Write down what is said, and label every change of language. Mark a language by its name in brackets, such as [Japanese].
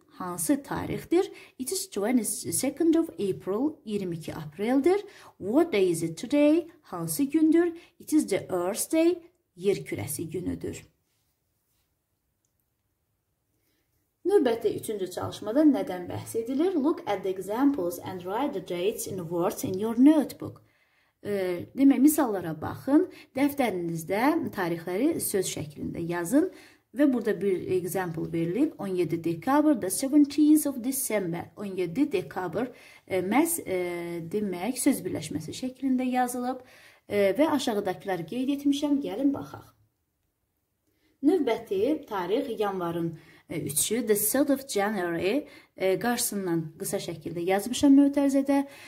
[Azerbaijani] Hansı tarixdir? [English] It is 22nd of April. [Azerbaijani] 22 apreldir. [English] What day is it today? [Azerbaijani] Hansı gündür? [English] It is the Earth Day. [Azerbaijani] Yer kürəsi günüdür. Növbəti üçüncü çalışmada nədən bəhs edilir? [English] Look at the examples and write the dates in words in your notebook. [Azerbaijani] Demək, misallara baxın. Dəftərinizdə tarixləri söz şəklində yazın. Və burada bir example verilib. 17 dekabr, [English] the 17th of December. [Azerbaijani] 17 dekabr məhz demək söz birləşməsi şəklində yazılıb. Və aşağıdakılar qeyd etmişəm. Gəlin baxaq. Növbəti tarix yanvarın 3-ü [English] the 3rd of January [Azerbaijani] qarşısından qısa şəkildə yazmışam mötərizədə.